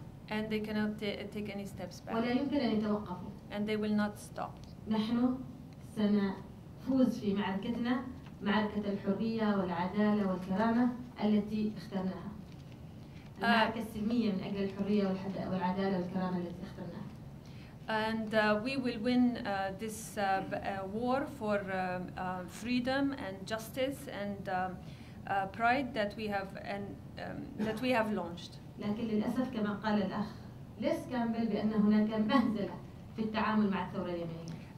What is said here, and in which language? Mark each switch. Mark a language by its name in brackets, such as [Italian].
[English] And they cannot take any steps back. [Arabic] ولا يمكن أن يتوقفوا. [English] And they will not stop. [Arabic] نحن سنفوز في معركتنا معركة الحرية والعدالة والكرامة التي اخترناها. المعركه السلميه من اجل الحريه والحد والعداله والكرامه التي اخترناها. [English] And we will win this war for freedom and justice and pride that we have and that we have launched. [Arabic] لكن للأسف كما قال الأخ ليس كامبل بأن هناك مهزلة في التعامل مع الثورة اليمنية.